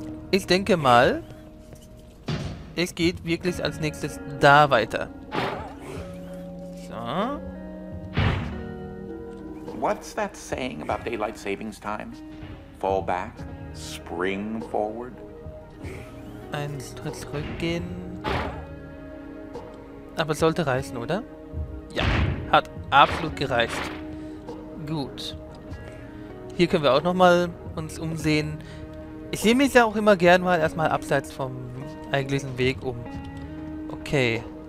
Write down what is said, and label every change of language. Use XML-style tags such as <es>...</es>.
<de>Ich denke mal... Es geht wirklich als nächstes da weiter. So.</de> <en>What's that saying about daylight savings time? Fall back, spring forward.</en> <de>Ein Schritt zurückgehen. Aber sollte reichen, oder? Ja, hat absolut gereicht. Gut. Hier können wir auch nochmal uns umsehen. Ich sehe mich ja auch immer gern mal erstmal abseits vom eigentlich diesen Weg um. Okay.</de>